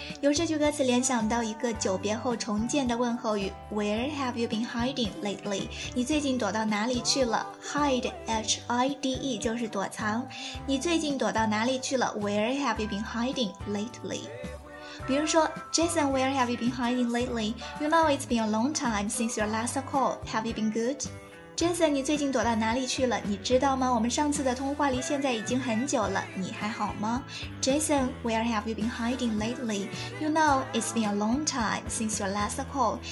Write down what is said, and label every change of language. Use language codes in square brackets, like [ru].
[zh] 由这句歌词联想到一个久别后重见的问候语 ， [en] Where have you been hiding lately? [zh] 你最近躲到哪里去了 ？ [en] Hide, H-I-D-E [zh] 就是躲藏。你最近躲到哪里去了 ？ [en] Where have you been hiding lately? [zh] 比如说 [en] Jason, where have you been hiding lately? You know it's been a long time since your last call. Have you been good? [zh] Jason, 你最近躲到哪里去了？你知道吗？我们上次的通话里现在已经很久了，你还好吗？ [en] Jason, where have you been hiding lately? You know, it's been a long time since your last call.